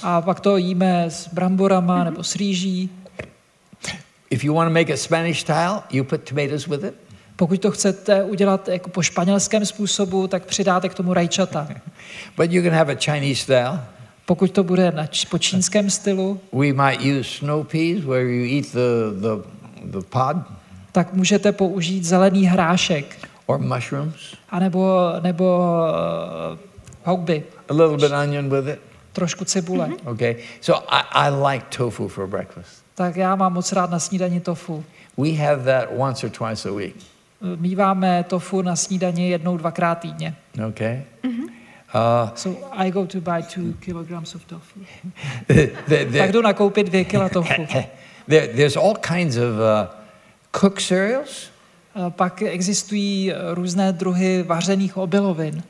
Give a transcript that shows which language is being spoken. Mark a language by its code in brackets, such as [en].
[cs] A pak to jíme s bramborama nebo s rýží. [en] If you want to make it Spanish style, you put tomatoes with it. [cs] Pokud to chcete udělat jako po španělském způsobu, tak přidáte k tomu rajčata. [en] But you can have a Chinese style. [cs] Pokud to bude po čínském stylu. [en] We might use snow peas where you eat the pod. [cs] Tak můžete použít zelený hrášek. [en] Or mushrooms. [cs] A nebo houby. [en] A little bit onion with it. [cs] Trošku cibule. Mm-hmm. [en] Okay. So I like tofu for breakfast. [cs] Tak já mám moc rád na snídani tofu. [en] We have that once or twice a week. [cs] Míváme tofu na snídani jednou dvakrát týdně. [en] Okay. So I go to buy 2 kilograms of tofu. [cs] Tak jdu nakoupit 2 kila tofu. [en] There's all kinds of cooked cereals. [cs] Pak existují různé druhy vařených obilovin.